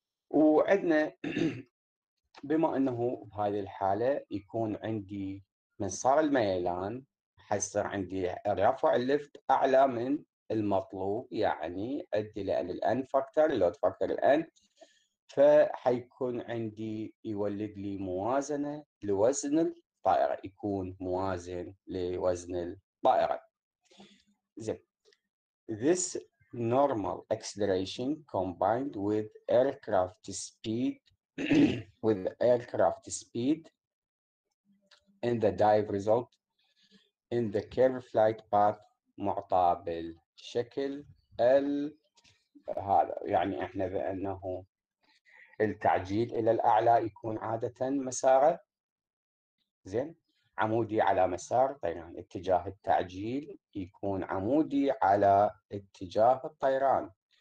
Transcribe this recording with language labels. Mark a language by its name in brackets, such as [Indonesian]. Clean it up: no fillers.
[Arabic] وعندنا بما أنه بهذه الحالة يكون عندي من صار الميلان حصل عندي رفع اللفت أعلى من المطلوب، يعني أدي لأن الان فاكتر اللود فاكتر الان، فحيكون عندي يولد لي موازنة لوزن الطائرة، يكون موازن لوزن الطائرة. [English] زين this normal acceleration combined with aircraft speed with aircraft speed in the dive result in the curve flight path [Arabic] معطى بالشكل ال هذا يعني احنا بانه التعجيل الى الاعلى يكون عاده مساره زين عمودي على مسار طيران، اتجاه التعجيل يكون عمودي على اتجاه الطيران.